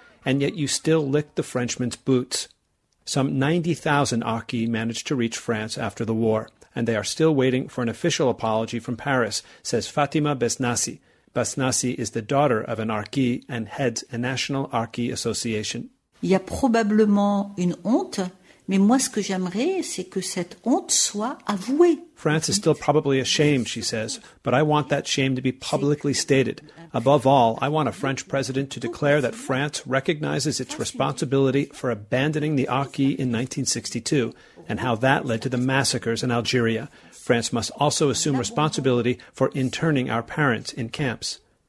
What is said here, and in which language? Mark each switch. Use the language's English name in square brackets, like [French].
[English] And yet you still licked the Frenchman's boots. Some 90,000 Arki managed to reach France after the war, and they are still waiting for an official apology from Paris, says Fatima Besnassi. Besnassi is the daughter of an Arki and heads a National Arki Association. [French] Il y a probablement une honte, mais moi ce que j'aimerais, c'est que cette honte soit avouée. [English] France is still probably ashamed, she says, but I want that shame to be publicly stated. Above all, I want a French president to declare that France recognizes its responsibility for abandoning the Arki in 1962 and how that led to the massacres in Algeria. France must also assume responsibility for interning our parents in camps.